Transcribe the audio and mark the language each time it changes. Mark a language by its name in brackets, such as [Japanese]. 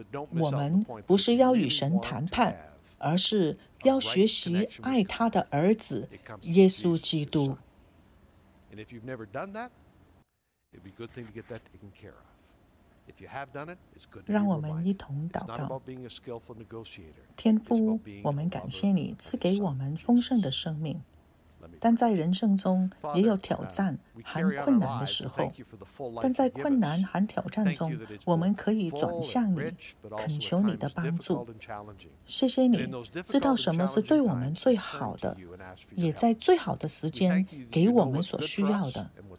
[Chinese] 我们不是要与神谈判，而是要学习爱他的儿子耶稣基督。 [English] And if you've never done that, it'd be a good thing to get that taken care of. If you have done it, it's good to be reminded. It's not about being a skillful negotiator. [Chinese] 天父，我们感谢你赐给我们丰盛的生命，但在人生中也有挑战含困难的时候。但在困难含挑战中，我们可以转向你，恳求你的帮助。谢谢你知道什么是对我们最好的，也在最好的时间给我们所需要的。